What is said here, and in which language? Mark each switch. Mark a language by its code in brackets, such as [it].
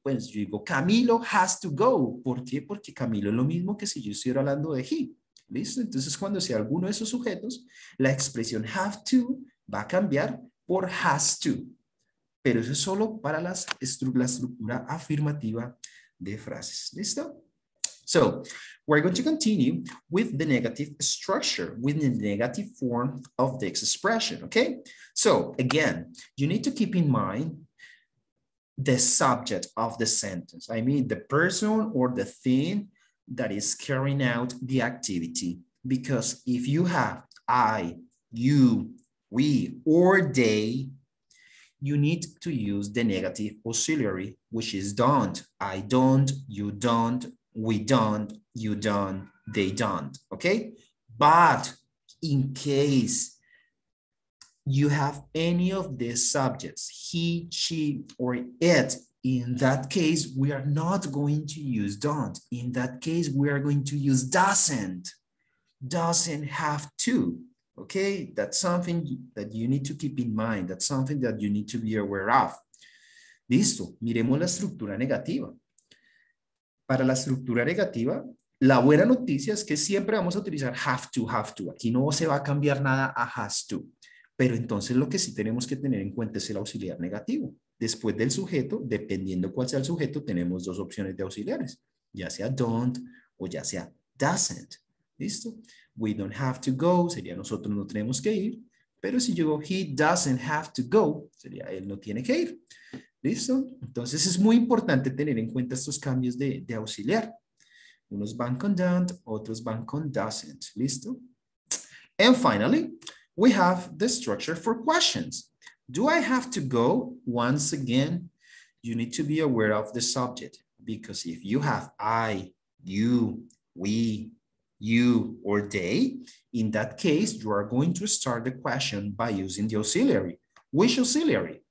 [es] Pues yo digo, [en] Camilo has to go. [es] ¿Por qué? Porque Camilo es lo mismo que si yo estuviera hablando de he. ¿Listo? Entonces, cuando sea alguno de esos sujetos, la expresión have to va a cambiar por has to. Pero eso es solo para la estructura afirmativa de frases. ¿Listo? [en] So, we're going to continue with the negative structure, with the negative form of the expression, okay? So, again, you need to keep in mind the subject of the sentence. I mean, the person or the thing that is carrying out the activity. Because if you have I, you, we, or they, you need to use the negative auxiliary, which is don't. I don't, you don't, we don't, you don't, they don't, okay? But in case you have any of these subjects, he, she, or it, in that case, we are not going to use don't. In that case, we are going to use doesn't have to, okay? That's something that you need to keep in mind. That's something that you need to be aware of. [es] Listo, miremos la estructura negativa. Para la estructura negativa, la buena noticia es que siempre vamos a utilizar have to, aquí no se va a cambiar nada a has to, pero entonces lo que sí tenemos que tener en cuenta es el auxiliar negativo. Después del sujeto, dependiendo cuál sea el sujeto, tenemos dos opciones de auxiliares, ya sea don't o ya sea doesn't, ¿listo? [en] We don't have to go, [es] sería nosotros no tenemos que ir, pero si yo digo [en] he doesn't have to go, [es] sería él no tiene que ir. ¿Listo? Entonces es muy importante tener en cuenta estos cambios de auxiliar. Unos van con don't, otros van con doesn't. ¿Listo? [en] And finally, we have the structure for questions. Do I have to go? Once again, you need to be aware of the subject. Because if you have I, you, we, you, or they, in that case, you are going to start the question by using the auxiliary. Which auxiliary?